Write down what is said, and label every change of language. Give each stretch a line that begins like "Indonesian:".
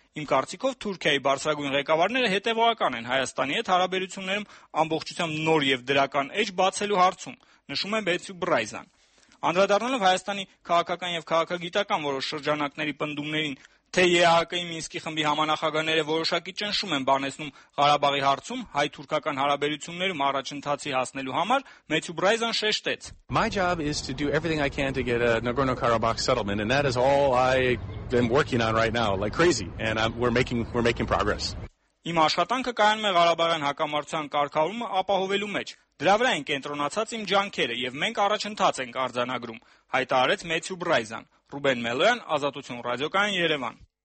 Armenian: Իմ կարծիքով Թուրքիայի բարձրագույն ղեկավարները հետևողական են Հայաստանի հետ հարաբերություններում ամբողջությամբ նոր եւ դրական էջ բացելու հարցում, նշում է Մեթյու Բրայզան։ Անդրադառնալով Հայաստանի քաղաքական եւ քաղաքագիտական որոշ շրջանակների պնդումներին, թե ԵԱՀԿ-ի Մինսկի խմբի համանախագահները որոշակի ճնշում են բանեսնում Ղարաբաղի հարցում հայ-թուրքական հարաբերություններում առաջընթացի հասնելու համար, Մեթյու Բրայզան շեշտեց.
English: My job is to do everything I can to get a Nagorno-Karabakh settlement and that is all I been working on right now like crazy and we're making progress.
Armenian: Իմ աշխատանքը կայանում է Ղարաբաղյան հակամարտության կարգավորումը ապահովելու մեջ։ Դրա վրա են կենտրոնացած իմ ջանքերը եւ մենք առաջընթաց ենք արձանագրում, հայտարարեց Մեթյու Բրայզան։ Ռուբեն Մելոյան, Ազատություն ռադիոկայան, Երևան։